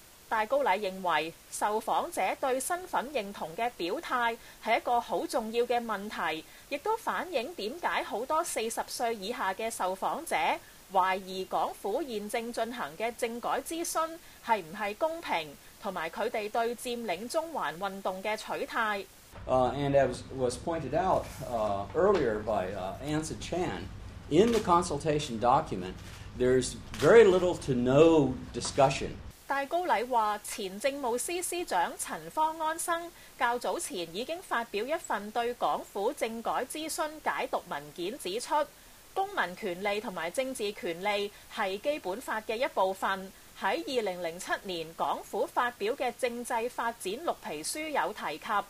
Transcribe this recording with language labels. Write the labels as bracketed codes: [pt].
[zh] 戴高禮認為受訪者對身份認同的表態是一個很重要的問題，亦都反映為何很多40歲以下的受訪者懷疑港府現正進行的政改諮詢是不是公平，以及他們對佔領中環運動的取態。 [en] And as was pointed out earlier by Anza Chan, in the consultation document, there's very little to no discussion. [zh] 戴高禮說，前政務司司長陳方安生較早前已經發表一份對港府政改諮詢解讀文件，指出公民權利和政治權利是基本法的一部分，在2007年港府發表的政制發展綠皮書有提及，